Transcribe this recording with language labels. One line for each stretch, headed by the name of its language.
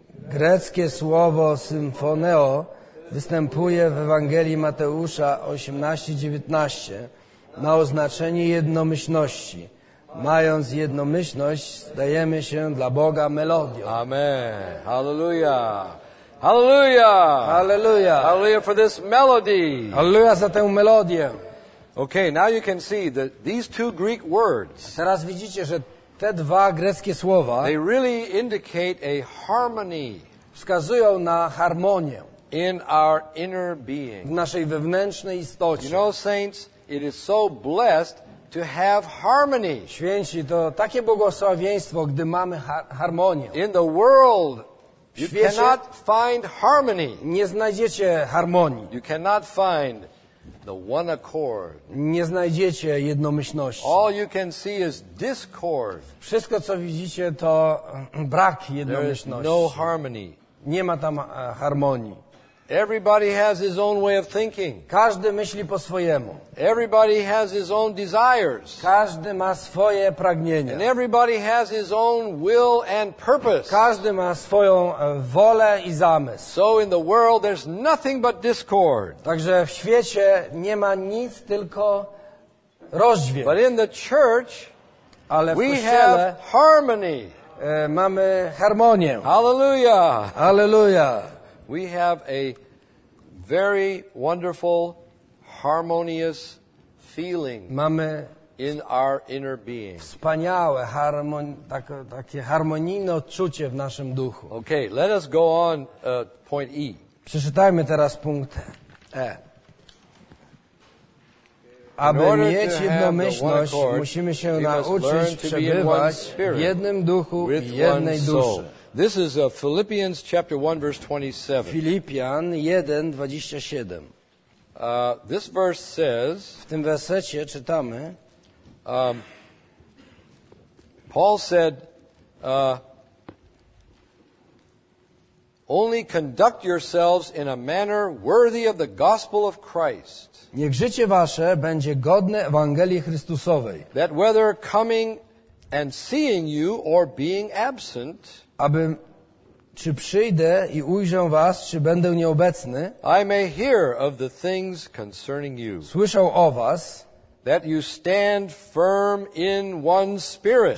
Polish: Greckie słowo symfoneo występuje w Ewangelii Mateusza 18:19 na oznaczenie jednomyślności. Mając jednomyślność, stajemy się dla Boga melodią.
English: Amen. Hallelujah. Hallelujah. Hallelujah. Hallelujah for this melody.
Polish: Hallelujah za tę melodię.
English: Okay, now you can see that these two Greek words.
Polish: Teraz widzicie, że te dwa greckie słowa,
English: they really indicate a harmony.
Polish: Wskazują na harmonię
English: in our inner being.
Polish: W naszej wewnętrznej istocie.
English: You know, saints, it is so blessed to have harmony.
Polish: Święci, to takie błogosławieństwo, gdy mamy harmonię.
English: In the world, you cannot find harmony.
Polish: Nie znajdziecie harmonii.
English: You cannot find the one accord.
Polish: Nie znajdziecie jednomyślności.
English: All you can see is discord.
Polish: Wszystko co widzicie to brak jednomyślności.
English: There is no harmony.
Polish: Nie ma tam harmonii.
English: Everybody has his own way of thinking.
Polish: Każdy myśli po swojemu.
English: Everybody has his own desires.
Polish: Każdy ma swoje pragnienia.
English: And everybody has his own will and purpose.
Polish: Każdy ma swoją wolę i zamysł.
English: So in the world there's nothing but discord.
Polish: Także w świecie nie ma nic, tylko rozdźwięk.
English: But in the church,
Polish: ale
English: we have harmony.
Polish: Mamy harmonię.
English: Hallelujah.
Polish: Hallelujah.
English: We have a very wonderful, harmonious feeling.
Polish: Mamy
English: in our inner being.
Polish: Wspaniałe, takie harmonijne odczucie w naszym duchu.
English: Okay, let us go on point E.
Polish: Przeczytajmy teraz punkt E. Aby mieć jednomyślność, musimy się nauczyć przebywać w jednym duchu i jednej duszy.
English: This is Philippians chapter 1 verse 27.
Polish: Filipian 1:27.
English: This verse says,
Polish: w tym wersecie czytamy,
English: Paul said, only conduct yourselves in a manner worthy of the gospel of Christ.
Polish: Niech życie wasze będzie godne Ewangelii Chrystusowej.
English: That whether coming and seeing you or being absent,
Polish: aby czy przyjdę i ujrzę was, czy będę nieobecny,
English: I may hear of the things concerning you.
Polish: Słyszał o was,
English: that you stand firm in one spirit.